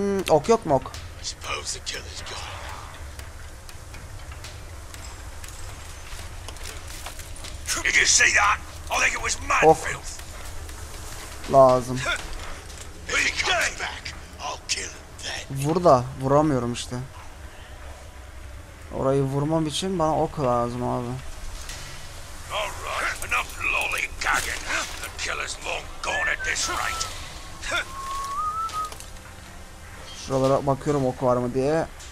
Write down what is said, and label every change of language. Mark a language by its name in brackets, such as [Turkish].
[Turkish] Ok yok mu ok? [English] I suppose the killer's gone. Did you see that? I think it was mad ok. Filth. [Turkish] Lazım. [English] If he comes back, I'll kill him then. [Turkish] Burada, vuramıyorum işte. Orayı vurmam için bana ok lazım abi. [English] Alright, enough lollygagging. The killer's long gone at this rate. [Turkish] Şuralara bakıyorum ok var mı diye.